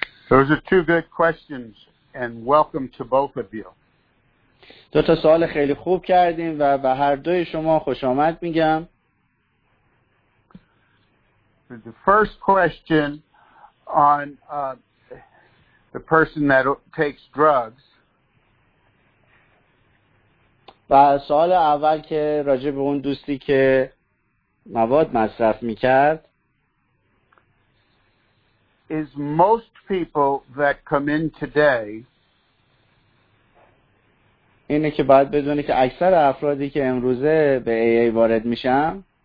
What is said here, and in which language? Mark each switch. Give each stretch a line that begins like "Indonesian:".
English: Those are two good questions, and welcome to both of you.
Persian: دو تا سوال خیلی خوب کردیم و به هر دوی شما خوش آمد میگم.
English: The first question on the person that takes drugs.
Persian: و سوال اول که راجع به اون دوستی که مواد مصرف میکرد.
English: Is most people that come in today
Persian: اینه که باید بدونی که اکثر افرادی که امروزه به AA وارد میشن